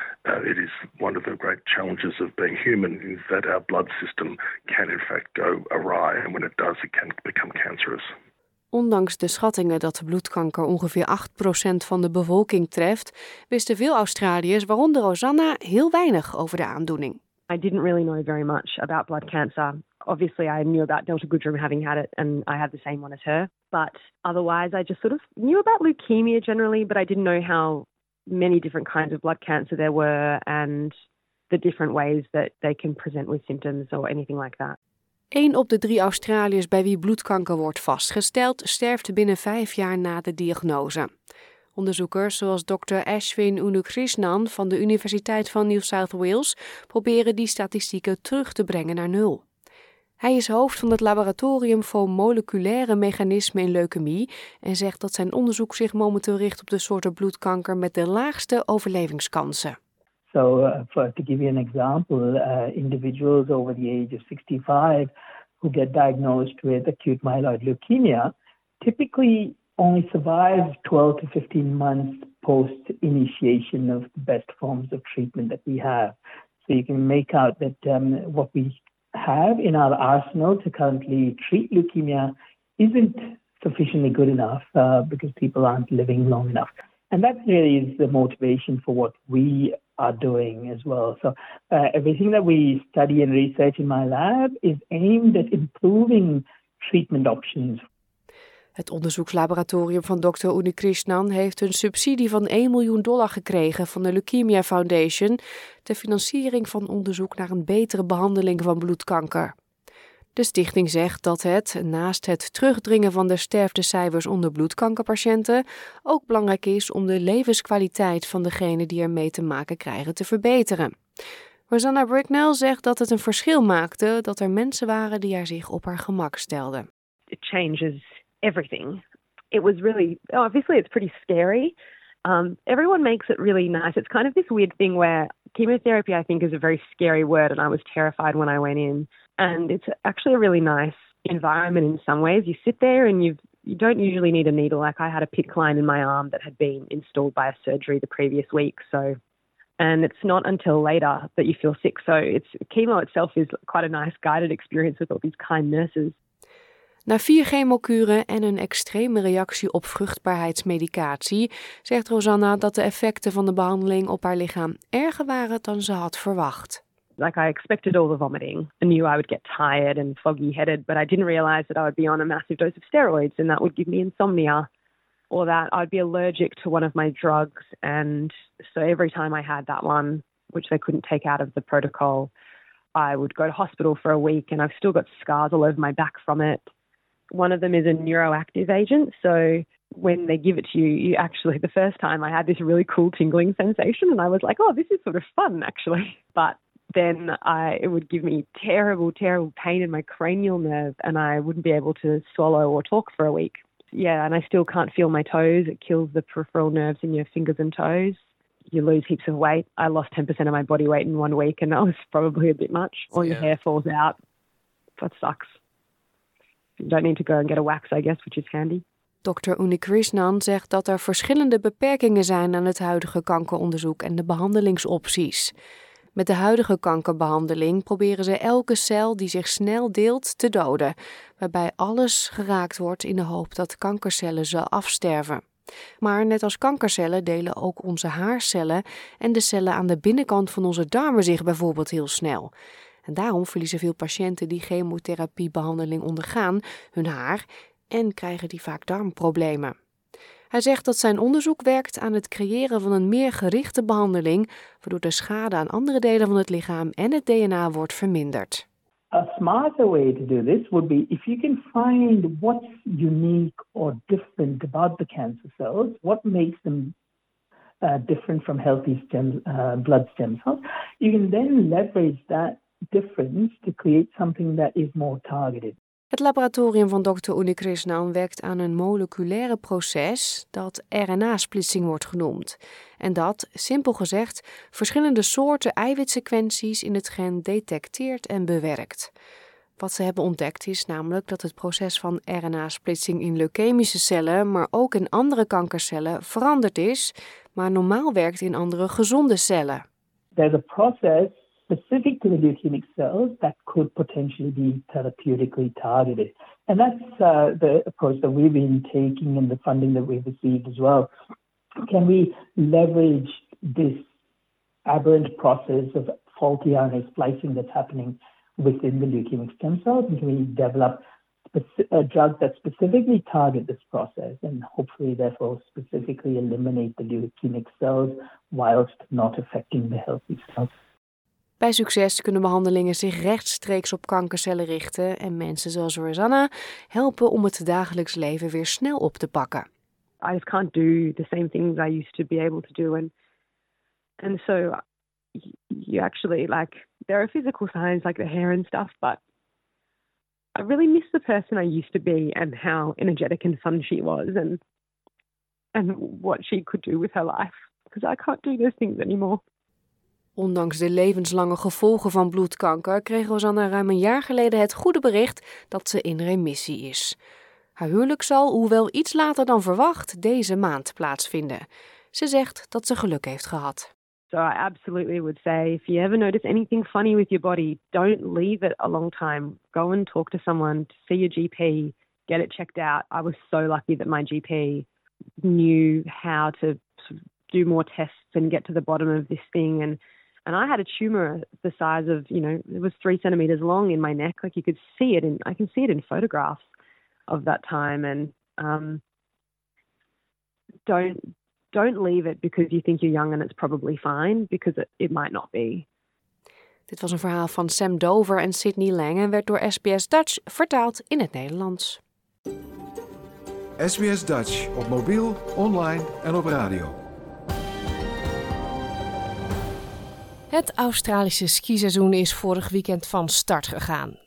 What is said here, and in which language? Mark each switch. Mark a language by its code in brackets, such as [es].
[en] It is one of the great challenges of being human, is that our blood system can in fact go awry, and when it does, it can become cancerous. [nl] Ondanks de schattingen dat bloedkanker ongeveer 8% van de bevolking treft, wisten veel Australiërs, waaronder Rosanna, heel weinig over de aandoening. [en] I didn't really know very much about blood cancer. Obviously, I knew about Delta Goodrum having had it, and I had the same one as her. But otherwise, I just sort of knew about leukemia generally, but I didn't know how many different kinds of blood cancer there were and the different ways that they can present with symptoms or anything like that. [nl] 1 op de 3 Australiërs bij wie bloedkanker wordt vastgesteld, sterft binnen 5 jaar na de diagnose. Onderzoekers zoals Dr. Ashwin Unnikrishnan van de Universiteit van New South Wales proberen die statistieken terug te brengen naar nul. Hij is hoofd van het Laboratorium voor Moleculaire Mechanismen in Leukemie en zegt dat zijn onderzoek zich momenteel richt op de soorten bloedkanker met de laagste overlevingskansen. [en] So to give you an example, individuals over the age of 65 who get diagnosed with acute myeloid leukemia typically only survive 12 to 15 months post initiation of the best forms of treatment that we have. So you can make out that what we have in our arsenal to currently treat leukemia isn't sufficiently good enough because people aren't living long enough. And that really is the motivation for what we are doing as well. So everything that we study and research in my lab is aimed at improving treatment options. [nl] Het onderzoekslaboratorium van Dr. Unnikrishnan heeft een subsidie van $1 miljoen gekregen van de Leukemia Foundation ter financiering van onderzoek naar een betere behandeling van bloedkanker. De stichting zegt dat het, naast het terugdringen van de sterftecijfers onder bloedkankerpatiënten, ook belangrijk is om de levenskwaliteit van degenen die ermee te maken krijgen te verbeteren. Rosanna Bricknell zegt dat het een verschil maakte dat er mensen waren die haar zich op haar gemak stelden. [en] It changes everything. It was really, obviously it's pretty scary. Everyone makes it really nice. It's kind of this weird thing where chemotherapy, I think, is a very scary word, and I was terrified when I went in. And it's actually a really nice environment in some ways. You sit there and you don't usually need a needle. Like I had a PICC line in my arm that had been installed by a surgery the previous week. So, and it's not until later that you feel sick. So it's chemo itself is quite a nice guided experience with all these kind nurses. [nl] Na 4 chemokuren en een extreme reactie op vruchtbaarheidsmedicatie, zegt Rosanna dat de effecten van de behandeling op haar lichaam erger waren dan ze had verwacht. [en] Like I expected all the vomiting. I knew I would get tired and foggy headed, but I didn't realize that I would be on a massive dose of steroids and that would give me insomnia or that I'd be allergic to one of my drugs. And so every time I had that one, which they couldn't take out of the protocol, I would go to hospital for a week and I've still got scars all over my back from it. One of them is a neuroactive agent. So when they give it to you, you actually, the first time I had this really cool tingling sensation and I was like, oh, this is sort of fun actually. But then it would give me terrible, terrible pain in my cranial nerve and I wouldn't be able to swallow or talk for a week. Yeah, and I still can't feel my toes. It kills the peripheral nerves in your fingers and toes. You lose heaps of weight. I lost 10% of my body weight in 1 week and that was probably a bit much. All your hair falls out. That sucks. You don't need to go and get a wax, I guess, which is handy. [nl] Dr. Unnikrishnan zegt dat er verschillende beperkingen zijn aan het huidige kankeronderzoek en de behandelingsopties. Met de huidige kankerbehandeling proberen ze elke cel die zich snel deelt te doden, waarbij alles geraakt wordt in de hoop dat kankercellen zal afsterven. Maar net als kankercellen delen ook onze haarcellen en de cellen aan de binnenkant van onze darmen zich bijvoorbeeld heel snel. En daarom verliezen veel patiënten die chemotherapiebehandeling ondergaan hun haar en krijgen die vaak darmproblemen. Hij zegt dat zijn onderzoek werkt aan het creëren van een meer gerichte behandeling, waardoor de schade aan andere delen van het lichaam en het DNA wordt verminderd. [en] A smarter way to do this would be if you can find what's unique or different about the cancer cells, what makes them different from healthy blood stem cells, you can then leverage that difference to create something that is more targeted. [nl] Het laboratorium van Dr. Unnikrishnan werkt aan een moleculaire proces dat RNA-splitsing wordt genoemd. En dat, simpel gezegd, verschillende soorten eiwitsequenties in het gen detecteert en bewerkt. Wat ze hebben ontdekt is namelijk dat het proces van RNA-splitsing in leukemische cellen, maar ook in andere kankercellen, veranderd is, maar normaal werkt in andere gezonde cellen. [en] There's a process specifically leukemic cells that could potentially be therapeutically targeted. And that's the approach that we've been taking and the funding that we've received as well. Can we leverage this aberrant process of faulty RNA splicing that's happening within the leukemic stem cells? And can we develop a drug that specifically targets this process and hopefully therefore specifically eliminate the leukemic cells whilst not affecting the healthy cells? [nl] Bij succes kunnen behandelingen zich rechtstreeks op kankercellen richten en mensen zoals Rosanna helpen om het dagelijks leven weer snel op te pakken. [en] I just can't do the same things I used to be able to do, and so you actually like there are physical signs like the hair and stuff, but I really miss the person I used to be and how energetic and fun she was and what she could do with her life, because I can't do those things anymore. [nl] Ondanks de levenslange gevolgen van bloedkanker kreeg Rosanna ruim een jaar geleden het goede bericht dat ze in remissie is. Haar huwelijk zal, hoewel iets later dan verwacht, deze maand plaatsvinden. Ze zegt dat ze geluk heeft gehad. [en] So I absolutely would say if you ever notice anything funny with your body, don't leave it a long time. Go and talk to someone, see your GP, get it checked out. I was so lucky that my GP knew how to do more tests and get to the bottom of this thing. And I had a tumor the size of, you know, it was 3 centimeters long in my neck. Like you could see it, and I can see it in photographs of that time. And don't leave it because you think you're young and it's probably fine, because it might not be. [nl] Dit was een verhaal van Sam Dover en Sydney Lang en werd door SBS Dutch vertaald in het Nederlands. SBS Dutch op mobiel, online en op radio. Het Australische skiseizoen is vorig weekend van start gegaan.